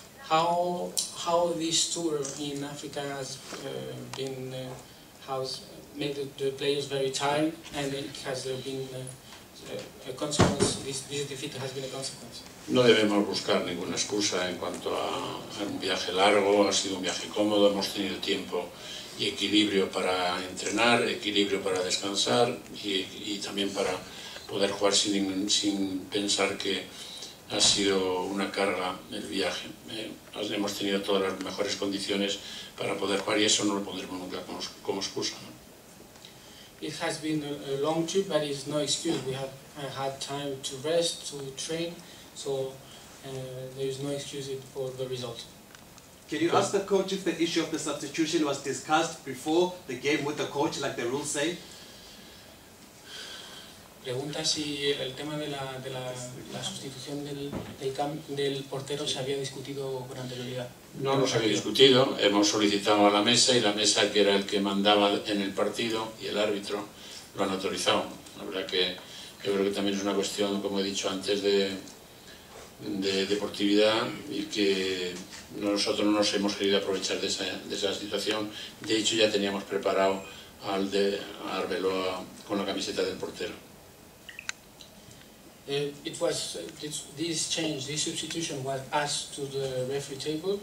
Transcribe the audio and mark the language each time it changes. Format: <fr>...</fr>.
<en>How this tour in Africa has been has made the players very tired, and it has been a consequence. This defeat has been a consequence.</en> <es>No debemos buscar ninguna excusa en cuanto a un viaje largo. Ha sido un viaje cómodo. Hemos tenido tiempo y equilibrio para entrenar, equilibrio para descansar y también para poder jugar sin pensar que ha sido una carga el viaje. Hemos tenido todas las mejores condiciones para poder jugar y eso no lo pondremos nunca como excusa.</es> <en>It has been a long trip, but it's no excuse. We have had time to rest, to train, so there is no excuse for the result. Can you ask the coach if the issue of the substitution was discussed before the game with the coach, like the rules say?</en> <es>Pregunta si el tema de la sustitución del portero se había discutido con anterioridad. No nos había discutido. Hemos solicitado a la mesa y la mesa, que era el que mandaba en el partido y el árbitro, lo han autorizado. La verdad que yo creo que también es una cuestión, como he dicho antes, de deportividad, y que nosotros no nos hemos querido aprovechar de esa situación. De hecho, ya teníamos preparado al de Arbeloa con la camiseta del portero.</es> <en>It was this change, this substitution was asked to the referee table.</en>